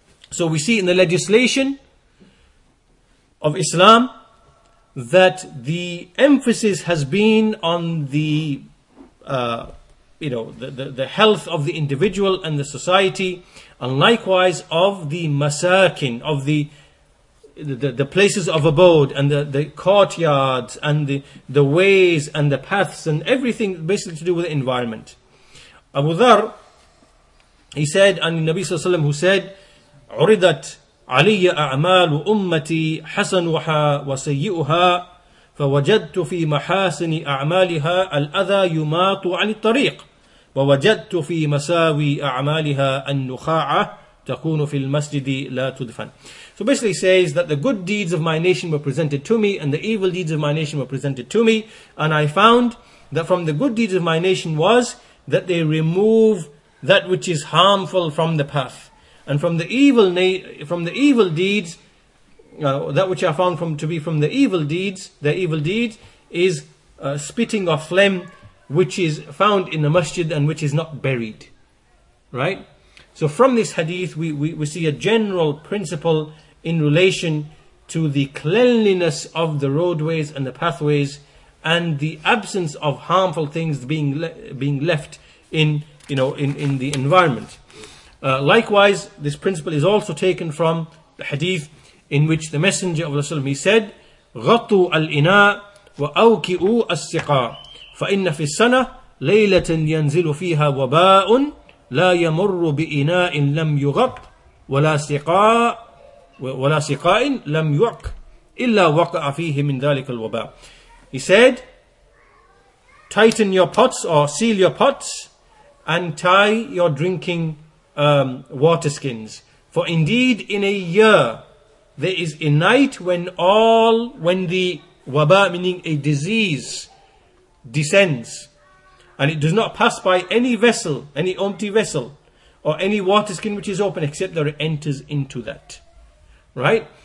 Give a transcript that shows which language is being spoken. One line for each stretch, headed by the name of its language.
English: So we see in the legislation of Islam that the emphasis has been on the the health of the individual and the society, and likewise of the masakin, of the places of abode, and the courtyards, and the ways, and the paths, and everything basically to do with the environment. Abu Dharr, he said, and Nabi Sallallahu Alaihi Wasallam, who said,
Arabic: عُرِضَتْ عَلِيَّ أَعْمَالُ أُمَّتِي حَسَنُهَا وَسَيِّئُهَا فوجدت في محاسن أعمالها الأذى يماط عن الطريق ووجدت في مساوي أعمالها النخاعة تكون في المسجد لا تدفن.
English: So basically he says that the good deeds of my nation were presented to me and the evil deeds of my nation were presented to me, and I found that from the good deeds of my nation was that they remove that which is harmful from the path, and from the evil deeds that which I found from the evil deeds, is spitting of phlegm, which is found in the masjid and which is not buried. Right? So from this hadith, we see a general principle in relation to the cleanliness of the roadways and the pathways, and the absence of harmful things being left in the environment. Likewise, this principle is also taken from the hadith in which the Messenger of Allah he said,
Arabic: غطوا الإناء وأوكئوا السقاء فإن في السنة ليلة ينزل فيها وباء لا يمر بإناء لم يغط ولا سقاء لم يعك إلا وقع فيه من ذلك الوباء.
English: He said, tighten your pots or seal your pots and tie your drinking water skins. For indeed in a year there is a night when the waba, meaning a disease, descends, and it does not pass by any vessel, any empty vessel, or any water skin which is open, except that it enters into that. Right?